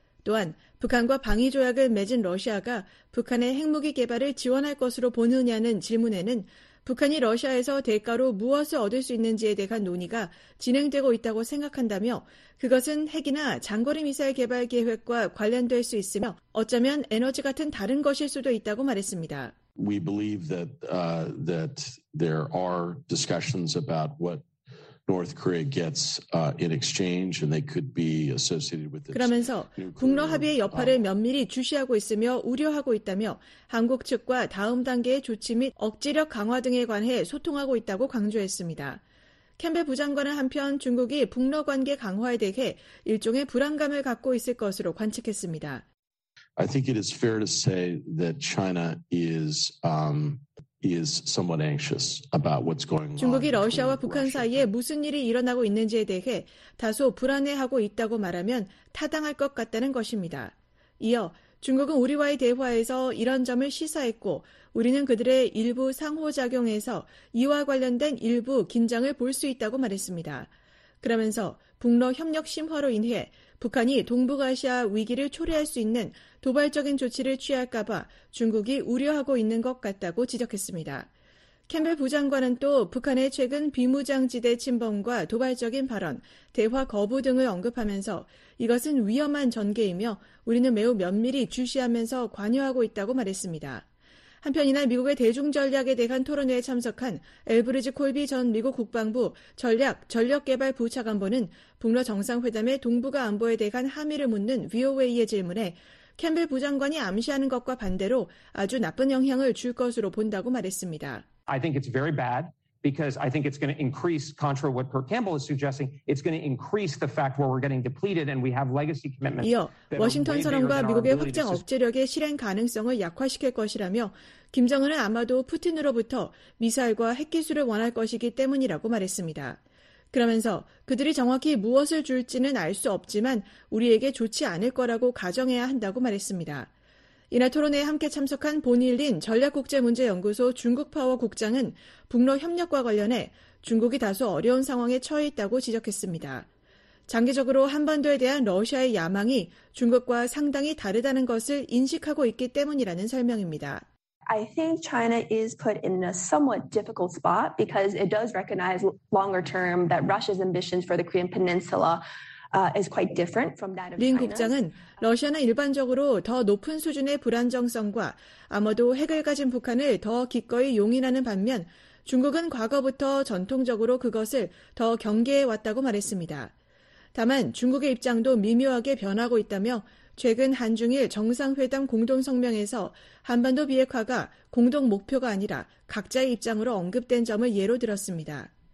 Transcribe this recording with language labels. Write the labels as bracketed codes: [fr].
[ko] 또한 북한과 방위조약을 맺은 러시아가 북한의 핵무기 개발을 지원할 것으로 보느냐는 질문에는 북한이 러시아에서 대가로 무엇을 얻을 수 있는지에 대한 논의가 진행되고 있다고 생각한다며 그것은 핵이나 장거리 미사일 개발 계획과 관련될 수 있으며 어쩌면 에너지 같은 다른 것일 수도 있다고 말했습니다. [en] We believe that there are discussions about what North Korea gets in exchange and they could be associated with this. [ko] 그러면서 북러 합의의 여파를 면밀히 주시하고 있으며 우려하고 있다며 한국 측과 다음 단계의 조치 및 억지력 강화 등에 관해 소통하고 있다고 강조했습니다. 캠벨 부장관은 한편 중국이 북러 관계 강화에 대해 일종의 불안감을 갖고 있을 것으로 관측했습니다. [en] I think it is fair to say that China is somewhat anxious about what's going on. [ko] 중국이 러시아와 북한 사이에 무슨 일이 일어나고 있는지에 대해 다소 불안해하고 있다고 말하면 타당할 것 같다는 것입니다. 이어 중국은 우리와의 대화에서 이런 점을 시사했고 우리는 그들의 일부 상호작용에서 이와 관련된 일부 긴장을 볼 수 있다고 말했습니다. 그러면서 북러 협력 심화로 인해 북한이 동북아시아 위기를 초래할 수 있는 도발적인 조치를 취할까 봐 중국이 우려하고 있는 것 같다고 지적했습니다. 캠벨 부장관은 또 북한의 최근 비무장지대 침범과 도발적인 발언, 대화 거부 등을 언급하면서 이것은 위험한 전개이며 우리는 매우 면밀히 주시하면서 관여하고 있다고 말했습니다. 한편 이날 미국의 대중전략에 대한 토론회에 참석한 엘브리지 콜비 전 미국 국방부 전략, 전력개발 부차관보는 북러 정상회담의 동북아 안보에 대한 함의를 묻는 VOA의 질문에 캠벨 부장관이 암시하는 것과 반대로 아주 나쁜 영향을 줄 것으로 본다고 말했습니다. [en] I think it's very bad because I think it's going to increase, contrary to what Kirk Campbell is suggesting, it's going to increase the fact where we're getting depleted and we have legacy commitments. [ko] 이어 워싱턴 선언과 미국의 확장 억제력의 실행 가능성을 약화시킬 것이라며 김정은은 아마도 푸틴으로부터 미사일과 핵 기술을 원할 것이기 때문이라고 말했습니다. 그러면서 그들이 정확히 무엇을 줄지는 알 수 없지만 우리에게 좋지 않을 거라고 가정해야 한다고 말했습니다. 이날 토론회에 함께 참석한 보닐린 전략국제문제연구소 중국파워 국장은 북러 협력과 관련해 중국이 다소 어려운 상황에 처해 있다고 지적했습니다. 장기적으로 한반도에 대한 러시아의 야망이 중국과 상당히 다르다는 것을 인식하고 있기 때문이라는 설명입니다. [en] I think China is put in a somewhat difficult spot because it does recognize longer term that Russia's ambitions for the Korean Peninsula is quite different from that of China. [ko] 린 국장은 러시아는 일반적으로 더 높은 수준의 불안정성과 아마도 핵을 가진 북한을 더 기꺼이 용인하는 반면 중국은 과거부터 전통적으로 그것을 더 경계해 왔다고 말했습니다. 다만 중국의 입장도 미묘하게 변하고 있다며 최근 한중일 정상회담 공동성명에서 한반도 비핵화가 공동 목표가 아니라 각자의 입장으로 언급된 점을 예로 들었습니다.